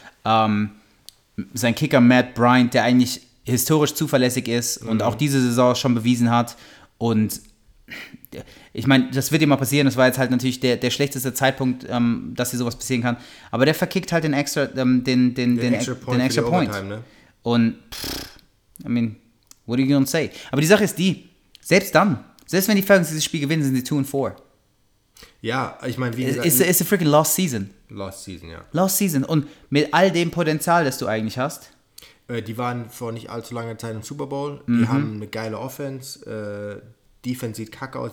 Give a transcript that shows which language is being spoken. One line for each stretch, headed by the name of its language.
German: Sein Kicker Matt Bryant, der eigentlich historisch zuverlässig ist und auch diese Saison schon bewiesen hat. Und ich meine, das wird immer passieren, das war jetzt halt natürlich der schlechteste Zeitpunkt, dass hier sowas passieren kann, aber der verkickt halt den extra Point. Overtime, ne?
English: Und I mean, what are you gonna say?
German: Aber die Sache ist die, selbst wenn die Falcons dieses Spiel gewinnen, sind sie 2-4. Ja, ich meine, wie
English: gesagt, it's a freaking lost season. Lost season, ja.
German: Lost season und mit all dem Potenzial, das du eigentlich hast. Die waren vor nicht allzu langer Zeit im Super Bowl, die haben eine geile Offense, Defense sieht kacke aus.